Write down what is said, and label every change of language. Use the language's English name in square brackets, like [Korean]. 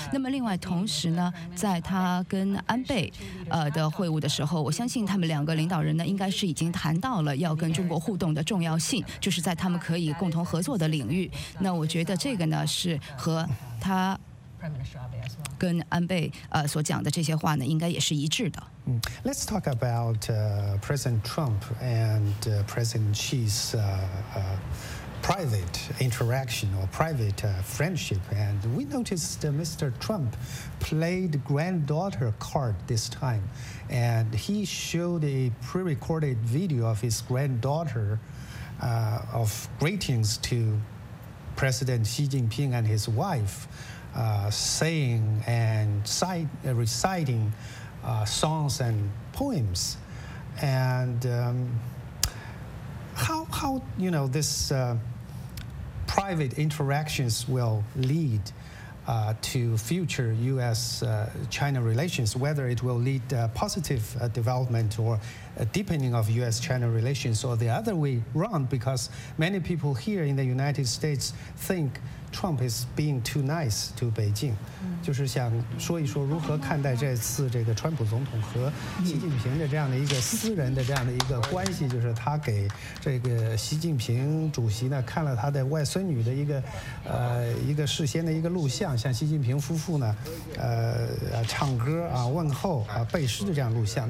[Chinese] 那么另外同时呢，在他跟安倍的会晤的时候，我相信他们两个领导人呢应该是已经谈到了要跟中国互动的重要性，就是在他们可以共同合作的领域。那我觉得这个呢是和他跟安倍所讲的这些话呢应该也是一致的。 [English] Let's talk about President Trump and President Xi's private interaction or private friendship. And we noticed Mr. Trump played granddaughter card this time. And he showed a pre-recorded video of his granddaughter of greetings to President Xi Jinping and his wife saying and reciting songs and poems. And how you know, this private interactions will lead to future U.S.-China relations, whether it will lead positive development or deepening of U.S.-China relations or the other way around, because many people here in the United States think Trump is being too nice to Beijing. [Chinese] 就是想说一说如何看待这次这个川普总统和习近平的这样的一个私人的这样的一个关系，就是他给这个习近平主席呢看了他的外孙女的一个事先的一个录像，像习近平夫妇呢唱歌啊问候啊背诗的这样录像。